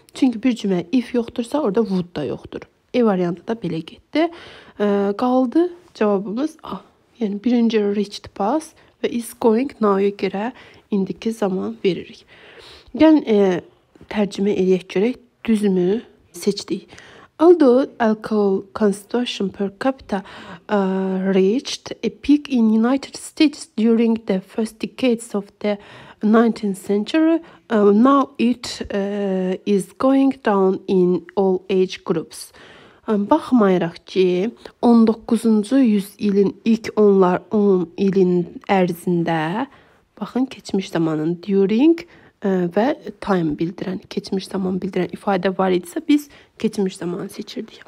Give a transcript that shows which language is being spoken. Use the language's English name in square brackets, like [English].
[Azerbaijani] Çünki bir cümlə if yoxdursa, orada would da yoxdur. E variantı da belə getdi. Qaldı cavabımız A. Yəni birinci reached past və is going now-ya görə indiki zaman veririk. Gəlin tərcümə eləyək görək. Düzmü seçdik. [English] Although alcohol consumption per capita reached a peak in United States during the first decades of the 19th century, now it is going down in all age groups. [Azerbaijani] Baxmayaraq ki, 19-cu yüzyılın ilk 10 ilin ərzində, baxın keçmiş zamanın during və time bildirən, keçmiş zaman bildirən ifadə var idisə, biz keçmiş zamanı seçirdik.